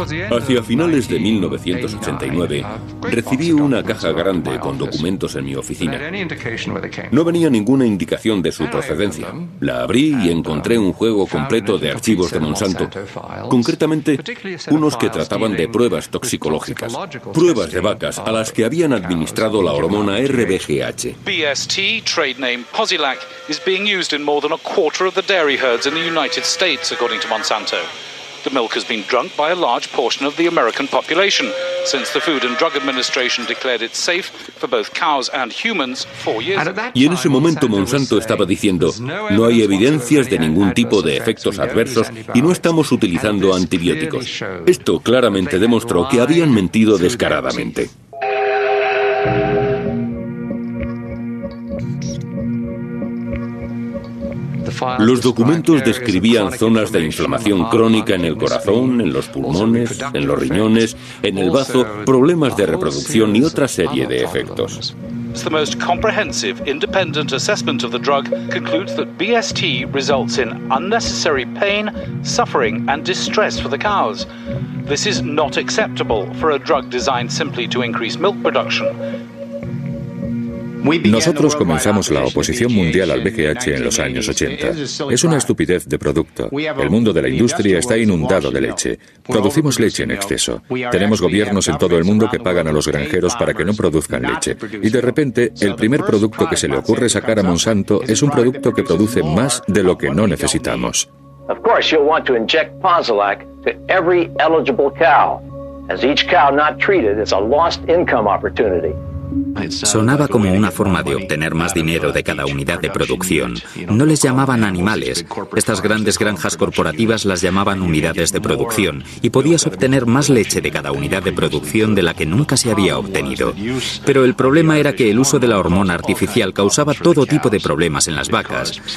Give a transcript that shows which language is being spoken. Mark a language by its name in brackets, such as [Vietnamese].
[Spanish] Hacia finales de 1989, recibí una caja grande con documentos en mi oficina. No venía ninguna indicación de su procedencia. La abrí y encontré un juego completo de archivos de Monsanto, concretamente unos que trataban de pruebas toxicológicas, pruebas de vacas a las que habían administrado la hormona RBGH. [English] BST, trade name Posilac, is being used in more than a quarter of the dairy herds in the United States, according to Monsanto. The milk has been drunk by a large portion of the American population since the Food and Drug Administration declared it safe for both cows and humans 4 years ago. [Spanish] Y en ese momento Monsanto estaba diciendo, no hay evidencias de ningún tipo de efectos adversos y no estamos utilizando antibióticos. Esto claramente demostró que habían mentido descaradamente. Los documentos describían zonas de inflamación crónica en el corazón, en los pulmones, en los riñones, en el bazo, problemas de reproducción y otra serie de efectos. [English] It's the most comprehensive independent assessment of the drug concludes that BST results in unnecessary pain, suffering and distress for the cows. This is not acceptable for a drug designed simply to increase milk production. [Spanish] Nosotros comenzamos la oposición mundial al BGH en los años 80. Es una estupidez de producto. El mundo de la industria está inundado de leche. Producimos leche en exceso. Tenemos gobiernos en todo el mundo que pagan a los granjeros para que no produzcan leche. Y de repente, el primer producto que se le ocurre sacar a Monsanto es un producto que produce más de lo que no necesitamos. [English] Of course, you'll want to inject Posilac to every eligible cow. As each cow not treated is a lost income opportunity. [Spanish] Sonaba como una forma de obtener más dinero de cada unidad de producción. No les llamaban animales. Estas grandes granjas corporativas las llamaban unidades de producción y podías obtener más leche de cada unidad de producción de la que nunca se había obtenido. Pero el problema era que el uso de la hormona artificial causaba todo tipo de problemas en las vacas.